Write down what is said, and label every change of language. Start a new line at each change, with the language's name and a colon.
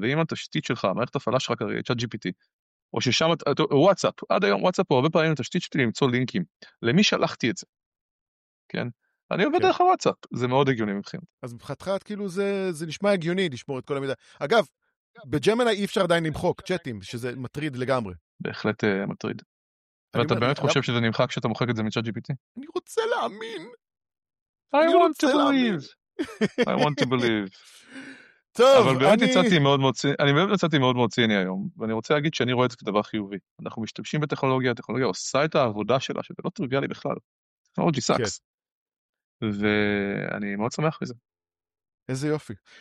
Hebrew: ואם התשתית שלך, מערכת הפעלה שלך כרגע, צ'אט GPT, או ששם, וואטסאפ, עד היום וואטסאפ הוא הרבה פעמים התשתית שלי למצוא לינקים, למי שלחתי את זה, כן? אני עובד דרך הוואטסאפ, זה מאוד הגיוני מבחינת. אז מבחינתך, כאילו זה נשמע הגיוני לשמור את כל המידע. אגב, בג'מיני אי אפשר עדיין למחוק צ'אטים, שזה מטריד לגמרי. בהחלט מטריד. ואתה באמת חושב שזה נמחק כשאתה מוחק את זה מצ'אט GPT? אני רוצה להאמין.
English: I want to believe. I want to believe.
Hebrew: טוב, אני... אני באמת יצאתי מאוד מאוד ציני היום, ואני רוצה להגיד שאני רואה את זה כדבר חיובי. אנחנו משתמשים בטכנולוגיה, הטכנולוגיה עושה את העבודה שלה, שזה לא טריוויאלי בכלל. טכנולוגי סאקס. ואני מאוד שמח מזה. איזה יופי.